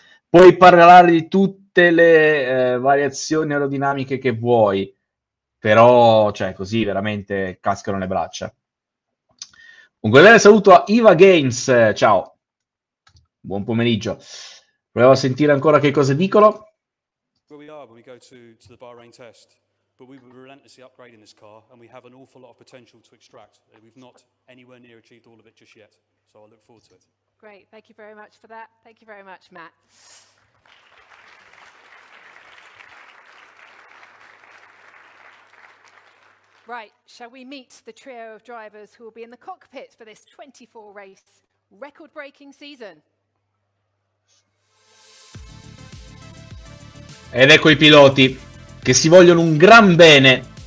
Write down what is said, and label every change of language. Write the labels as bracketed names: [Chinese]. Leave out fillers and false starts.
[Italian] Puoi parlare di tutte le variazioni aerodinamiche che vuoi, però, cioè, così veramente cascano le braccia. Un grande saluto a Iva Games, ciao, buon pomeriggio. Proviamo a sentire ancora che cosa dicono. [English] Where we are when we go to the Bahrain test, but we were relentlessly upgrading this car and we have an awful lot of potential to extract. We've not anywhere near achieved all of it just yet, so I look forward to it. Great, thank you very much for that. Thank you very much, Matt. Right, shall we meet the trio of drivers who will be in the cockpit for this 24-race record-breaking season? [Italian] Ed ecco i piloti che si vogliono un gran bene.